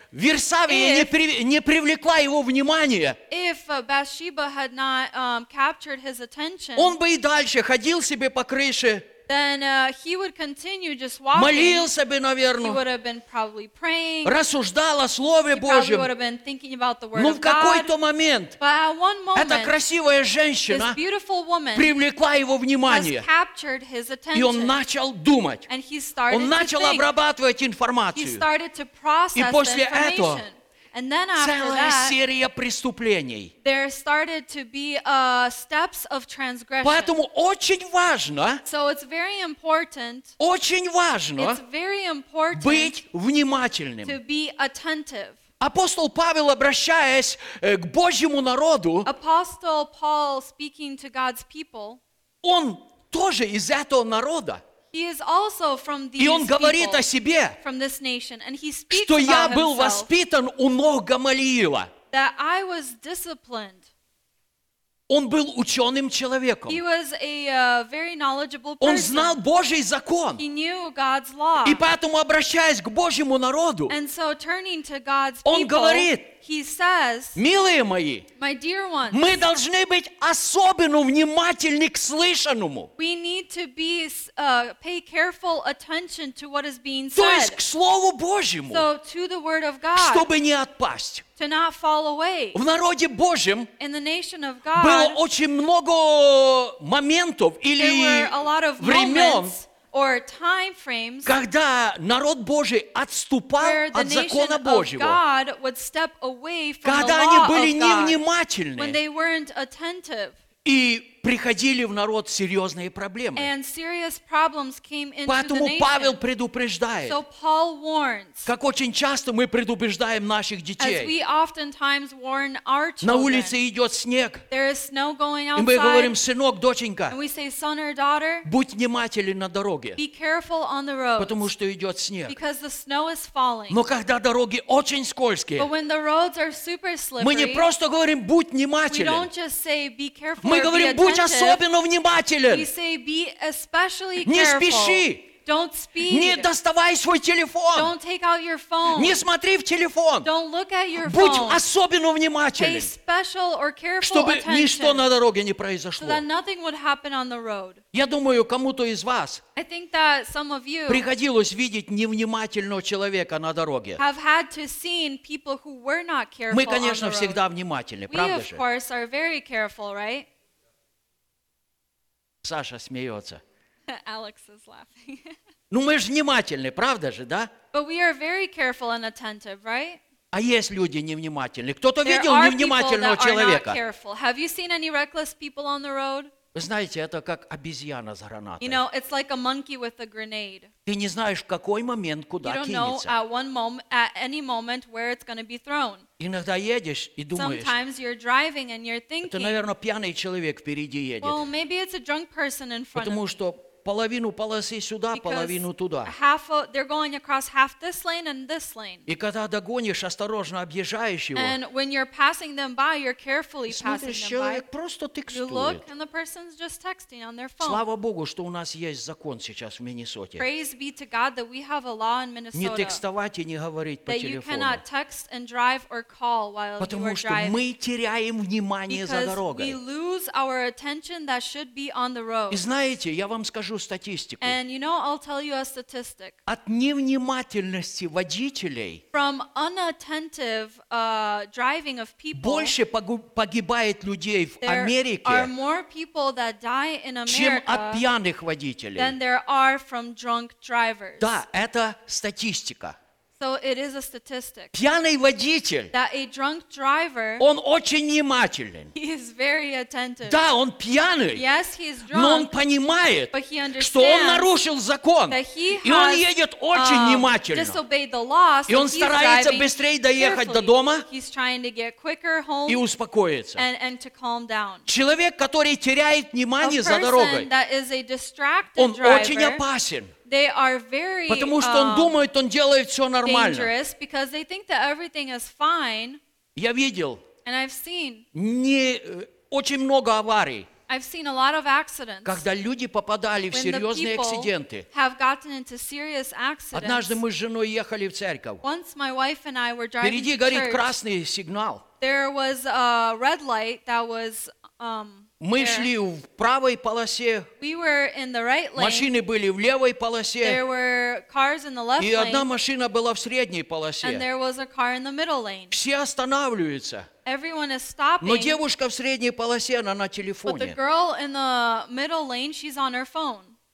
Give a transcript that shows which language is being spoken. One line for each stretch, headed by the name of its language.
Russian: Версавия не привлекла его внимание,
English: if Bathsheba had not, captured his attention,
Russian: он бы и дальше ходил себе по крыше,
English: then, he would continue just walking.
Russian: Молился бы, наверное,
English: he would have been probably praying.
Russian: Рассуждал о Слове
English: he
Russian: Божьем,
English: would have been thinking about the word
Russian: но
English: of
Russian: в какой-то
English: God.
Russian: Момент
English: but at one moment,
Russian: эта красивая женщина
English: this beautiful woman
Russian: привлекла его внимание,
English: has captured his attention.
Russian: И он начал думать,
English: and he started
Russian: он начал
English: to think.
Russian: Обрабатывать информацию,
English: he started to process
Russian: и после
English: the information.
Russian: Этого
English: and then after that, there started to be steps of transgression.
Russian: Поэтому очень важно,
English: so it's very important,
Russian: очень важно
English: it's very important
Russian: быть внимательным.
English: To be attentive.
Russian: Апостол Павел, обращаясь к Божьему народу,
English: Apostle Paul speaking to God's people,
Russian: он тоже из этого народа.
English: He is also from these
Russian: и он говорит
English: people,
Russian: о себе,
English: from this nation, and he speaks
Russian: что я
English: about
Russian: был
English: himself,
Russian: воспитан у ног Гамалиила.
English: That I was disciplined.
Russian: Он был ученым человеком.
English: He was a very knowledgeable person.
Russian: Он знал Божий закон.
English: He knew God's law.
Russian: И поэтому, обращаясь к Божьему народу,
English: and so, turning to God's
Russian: он
English: people,
Russian: говорит,
English: he says,
Russian: милые мои,
English: my dear ones,
Russian: мы должны быть особенно внимательны к слышанному.
English: We need to be, pay careful attention to what is being said.
Russian: То есть к Слову Божьему,
English: so, to the word of God,
Russian: чтобы не отпасть.
English: To not fall away.
Russian: В народе Божьем
English: in the nation of God,
Russian: было очень много моментов или времен,
English: or time frames,
Russian: когда народ Божий отступал
English: where the
Russian: от закона Божьего,
English: would step away from
Russian: когда
English: the
Russian: они были невнимательны,
English: when they weren't attentive.
Russian: И приходили в народ серьезные проблемы.
English: And serious problems came into
Russian: поэтому
English: the
Russian: Павел предупреждает,
English: so Paul warns,
Russian: как очень часто мы предупреждаем наших детей.
English: As we oftentimes warn our children,
Russian: на улице идет снег,
English: there is snow going outside,
Russian: и мы говорим, сынок, доченька,
English: and we say, son or daughter,
Russian: будь внимателен на дороге,
English: be careful on the roads,
Russian: потому что идет снег.
English: Because the snow is falling.
Russian: Но когда дороги очень скользкие,
English: but when the roads are super slippery,
Russian: мы не просто говорим, будь внимателен,
English: we don't just say, be careful,
Russian: мы говорим, будь особенно внимателен.
English: We say, be especially careful.
Russian: Не спеши.
English: Don't speed.
Russian: Не доставай свой телефон.
English: Don't take out your phone.
Russian: Не смотри в телефон.
English: Don't look at your phone.
Russian: Будь особенно внимателен.
English: Pay special or careful
Russian: чтобы
English: attention,
Russian: ничто на дороге не произошло.
English: So that nothing would happen on the road.
Russian: Я думаю, кому-то из вас
English: I think that some of you
Russian: приходилось видеть невнимательного человека на дороге.
English: Have had to seen people who were not careful.
Russian: Мы, конечно,
English: on the
Russian: всегда
English: road.
Russian: Внимательны,
English: we,
Russian: правда
English: of
Russian: же?
English: Course, are very careful, right?
Russian: Саша смеется.
English: Alex is laughing.
Russian: Ну мы же внимательны, правда же, да?
English: But we are very careful and attentive, right?
Russian: А есть люди невнимательные. Кто-то
English: there
Russian: видел невнимательного человека?
English: There are people that are not careful. Have you seen any reckless people on the road?
Russian: Вы знаете, это как обезьяна с гранатой.
English: You know, it's like a monkey with a grenade.
Russian: Ты не знаешь, в какой момент куда
English: you don't
Russian: кинется.
English: Know at one moment, at any moment where it's going to be thrown.
Russian: Иногда едешь и думаешь.
English: Sometimes you're driving and you're thinking.
Russian: Это, наверное, пьяный человек впереди едет.
English: Well, maybe it's a drunk person in front
Russian: потому
English: of me.
Russian: Что половину полосы сюда,
English: because
Russian: половину туда.
English: Half of, they're going across half this lane and this lane.
Russian: И когда догонишь, осторожно объезжаешь его.
English: And when you're passing them by, you're carefully passing
Russian: человек
English: them
Russian: просто
English: by. You look and the person's just texting on their phone.
Russian: Слава Богу, что у нас есть закон сейчас в Миннесоте.
English: Praise be to God that we have a law in Minnesota.
Russian: Не текстовать и не говорить по
English: that
Russian: телефону.
English: That you cannot text and drive or call while
Russian: потому
English: you are driving.
Russian: Потому что мы теряем внимание
English: because
Russian: за дорогой.
English: Because we lose our attention that should be on the road.
Russian: И знаете, я вам скажу, статистику.
English: And you know, I'll tell you a statistic.
Russian: От невнимательности водителей
English: from unattentive, driving of people,
Russian: больше погибает людей в Америке,
English: are more people that die in America,
Russian: чем от пьяных водителей.
English: Than there are from drunk drivers.
Russian: Да, это статистика.
English: So it is a statistic.
Russian: Пьяный водитель,
English: that a drunk driver,
Russian: он очень внимателен.
English: He is very attentive.
Russian: Да, он пьяный.
English: Yes, he is drunk.
Russian: Но он понимает,
English: but he understands,
Russian: что он нарушил закон.
English: That he has,
Russian: и он едет очень внимательно.
English: Disobeyed the law, so
Russian: и он старается быстрее доехать
English: carefully.
Russian: До дома.
English: He's trying to get quicker home
Russian: и успокоиться.
English: And to calm down.
Russian: Человек, который теряет внимание за дорогой,
English: that is a distracted
Russian: он
English: driver,
Russian: очень опасен.
English: They are very
Russian: потому что он думает, он делает все нормально.
English: Dangerous because they think that everything is fine.
Russian: Я видел.
English: And I've seen
Russian: не очень много аварий.
English: I've seen a lot of accidents.
Russian: Когда люди попадали в серьезные акциденты.
English: Have gotten into serious accidents.
Russian: Однажды мы с женой ехали в церковь.
English: Once my wife and I were driving
Russian: впереди
English: to church.
Russian: Впереди горит красный сигнал.
English: There was a red light that was
Russian: мы шли в правой полосе,
English: we were in the right lane.
Russian: Машины были в левой полосе,
English: there were cars in the left
Russian: и одна машина была в средней полосе.
English: And there was a car in the middle lane.
Russian: Все останавливаются.
English: Everyone is stopping.
Russian: Но девушка в средней полосе, она на телефоне.
English: But the girl in the middle lane, she's on her phone.